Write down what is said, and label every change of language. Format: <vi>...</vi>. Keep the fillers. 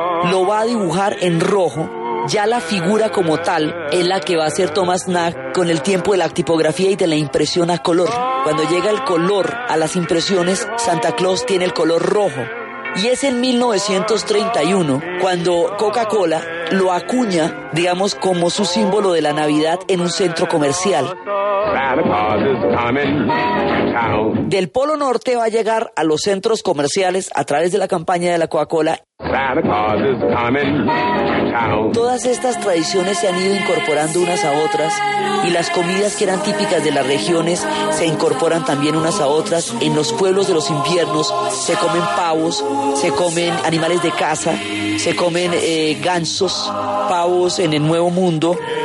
<es>lo va a dibujar en rojo. Ya la figura como tal es la que va a hacer Thomas Nag con el tiempo de la tipografía y de la impresión a color. Cuando llega el color a las impresiones, Santa Claus tiene el color rojo. Y es en 1931 cuando Coca-Cola lo acuña, digamos, como su símbolo de la Navidad en un centro comercial.</es> <en>Santa Claus is coming to town.</en> <es>Del Polo Norte va a llegar a los centros comerciales a través de la campaña de la Coca-Cola.</es> <en>Santa Claus is coming to town.</en> <es>Todas estas tradiciones se han ido incorporando unas a otras y las comidas que eran típicas de las regiones se incorporan también unas a otras. En los pueblos de los inviernos se comen pavos, se comen animales de caza, se comen eh, gansos, pavos en el Nuevo Mundo.</es>